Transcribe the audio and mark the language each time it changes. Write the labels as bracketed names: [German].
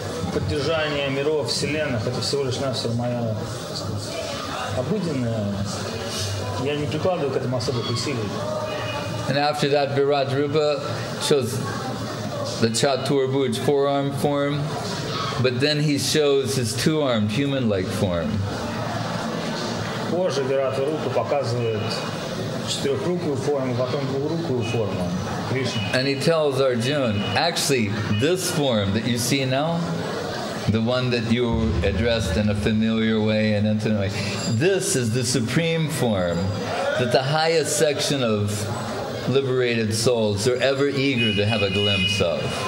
[Russian] Поддержание миров, вселенных — это всего лишь навсего моя обыденная. Я не прикладываю к этому особых усилий. [English] And after that, Virat Rupa shows the Chaturbhuj forearm form, but then he shows his two-armed human-like form. [Russian] Позже Virat Rupa показывает четырехрукую форму, потом двухрукую форму. [English] And he tells Arjuna, actually, this form that you see now, the one that you addressed in a familiar way and intimate way, this is the supreme form that the highest section of liberated souls are ever eager to have a glimpse of.